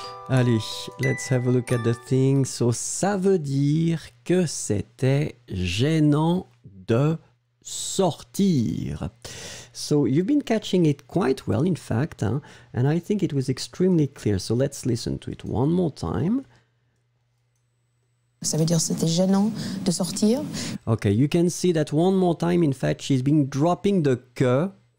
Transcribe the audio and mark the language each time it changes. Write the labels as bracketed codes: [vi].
[en] Allez, let's have a look at the thing. [fr] So, ça veut dire que c'était gênant de sortir. [en] So, you've been catching it quite well, in fact, hein? And I think it was extremely clear. So, let's listen to it one more time. [fr] Ça veut dire c'était gênant de sortir. [en] Okay, you can see that one more time, in fact, she's been dropping the que.